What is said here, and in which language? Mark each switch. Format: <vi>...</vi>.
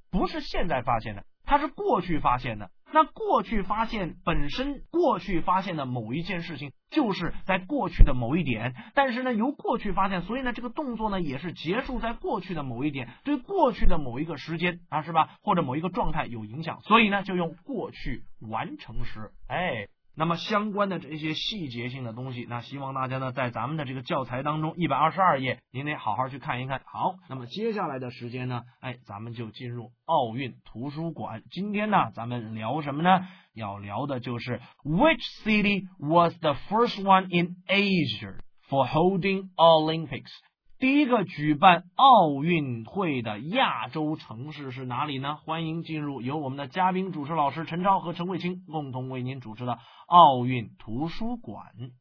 <zh>不是现在发现的，她是过去发现的。那过去发现本身，过去发现的某一件事情就是在过去的某一点，但是呢由过去发现，所以呢这个动作呢也是结束在过去的某一点，对过去的某一个时间啊，是吧，或者某一个状态有影响，所以呢就用过去完成时。哎，那么相关的这些细节性的东西，那希望大家呢在咱们的这个教材当中122页您得好好去看一看。好，那么接下来的时间呢，哎，咱们就进入奥运图书馆。今天呢咱们聊什么呢？要聊的就是</zh> <en>Which city was the first one in Asia for holding Olympics？</en> <zh>第一个举办奥运会的亚洲城市是哪里呢？欢迎进入由我们的嘉宾主持老师陈超和陈慧卿共同为您主持的奥运图书馆。</zh>